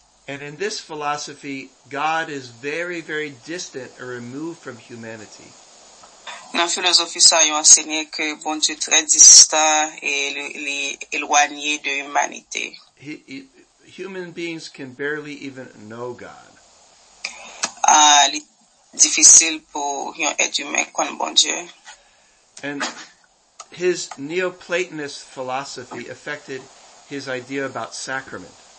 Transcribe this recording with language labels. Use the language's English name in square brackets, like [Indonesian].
[English] And in this philosophy, God is very, very distant or removed from humanity. [French] Dans la philosophie, ça a enseigné que bon Dieu est très distant et éloigné de l'humanité. [English] Human beings can barely even know God. [French] Difficile pour un être humain comme bon Dieu. [English] And his Neoplatonist philosophy affected his idea about sacrament.